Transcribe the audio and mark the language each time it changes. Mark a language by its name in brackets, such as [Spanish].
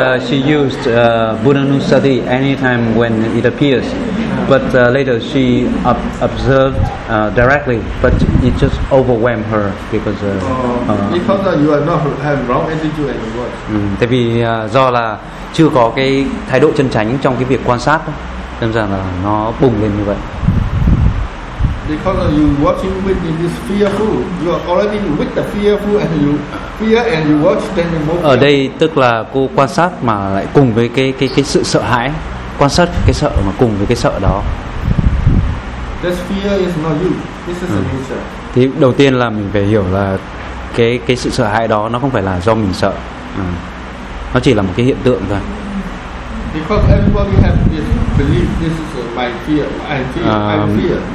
[English] Before that she used Buddhanusati anytime when it appears. But later she observed directly, but it just overwhelmed her because because that you are not have wrong attitude and words. [Vietnamese] Tại vì do là chưa có cái thái độ chân chánh trong cái việc quan sát, nên rằng là nó bùng lên như vậy. [English] Because you watching with this fearful, you are already with the fearful and you fear and you watch then more. [Vietnamese] Ở đây tức là cô quan sát mà lại cùng với cái sự sợ hãi. Quan sát cái sợ mà cùng với cái sợ đó. [English] This fear is not you. This is nature. [Vietnamese] Thì đầu tiên là mình phải hiểu là cái sự sợ hãi đó nó không phải là do mình sợ. Nó chỉ là một cái hiện tượng thôi. [English] Because everybody has this belief, this is my fear, I fear, I fear.